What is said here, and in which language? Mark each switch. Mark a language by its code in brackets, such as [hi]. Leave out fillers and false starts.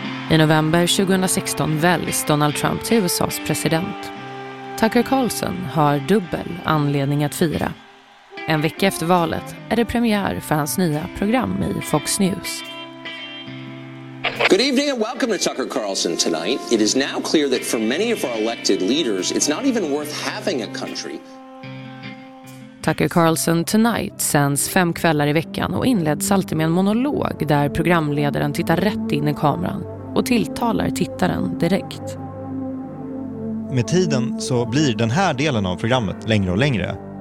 [sv] I november 2016 väljs Donald Trump till USAs president. Tucker Carlson har dubbel anledning att fira. En vecka efter valet är det premiär för hans nya program i Fox News. [en] Good evening and welcome to Tucker Carlson tonight. It is now clear that for many of our elected leaders, it's not even worth having a country. [sv] Tucker Carlson Tonight sänds 5 kvällar i veckan och inleds alltid med en monolog där programledaren tittar rätt in i kameran och tilltalar tittaren direkt. Med tiden så blir den här delen av programmet längre och längre.